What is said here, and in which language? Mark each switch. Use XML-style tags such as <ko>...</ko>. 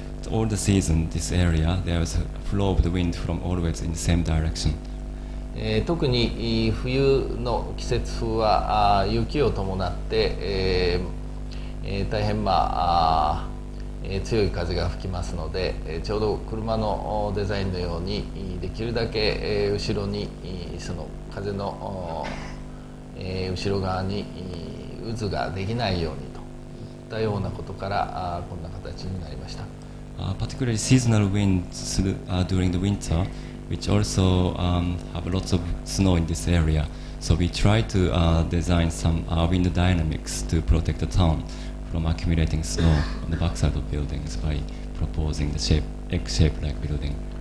<en>All the season, this area, there is a flow of the wind from always in the same direction.</en> <ja>特に冬の季節風は雪を伴って、大変、まあ、強い風が吹きますので、ちょうど車のデザインのようにできるだけ後ろに、その風の後ろ側に渦ができないようにといったようなことから、こんな形になりました。</ja> <en>Particularly seasonal winds during the winter, which also have lots of snow in this area. So we try to design some wind dynamics to protect the town from accumulating snow on the backside of buildings by proposing the shape, egg-shaped like building.</en>